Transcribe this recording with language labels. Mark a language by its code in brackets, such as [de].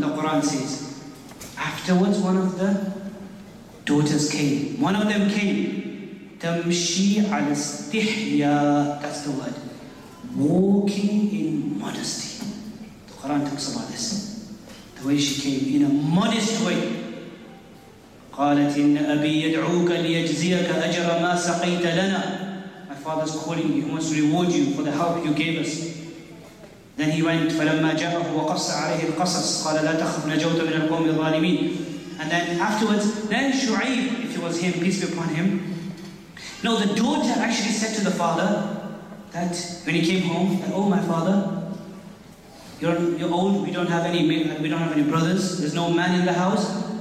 [en] The Quran says, afterwards one of the daughters came. One of them came. [ar] تَمْشِي عَلَى اسْتِحْيَا. [en] That's the word. Walking in modesty. The Quran talks about this. The way she came, in a modest way. [ar] قالت إن أبي يدعوك ليجزيك أجر ما سقيت لنا. [en] My father's calling me, he wants to reward you for the help you gave us. Then he went, [ar] فلما جاءه وقص عليه القصص قال لا تخف نجوت من القوم الظالمين. [en] And then afterwards, then Shu'ayb, if it was him, peace be upon him. No, the daughter actually said to the father that when he came home, that, oh my father, you're old, we don't have any brothers, there's no man in the house.